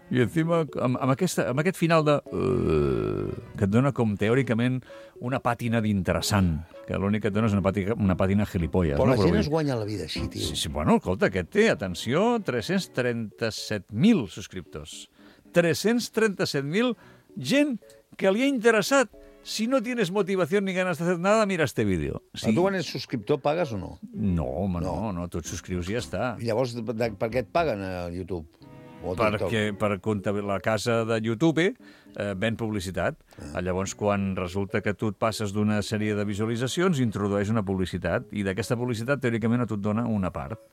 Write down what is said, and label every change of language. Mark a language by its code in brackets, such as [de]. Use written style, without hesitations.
[ca] I encima, amb aquest final de... que et dona com, teòricament, una pàtina d'interessant, que l'únic que et dona és una pàtina gilipolles. Però no? La gent però, es guanya la vida així, tio. Sí, sí, bueno, escolta, aquest té, atenció, 337.000 subscriptors. 337.000 gent que li ha interessat. [es] Si no tienes motivación ni ganas de hacer nada, mira este vídeo. [ca] Sí. Tu quan ets subscriptor pagues o no? No, home, no. No, tu et subscrius i ja està. I llavors, per què et paguen a YouTube? Perquè per la casa de YouTube ven publicitat. Ah. Llavors, quan resulta que tu et passes d'una sèrie de visualitzacions, introdueix una publicitat, i d'aquesta publicitat, teòricament, a tu et dona una part.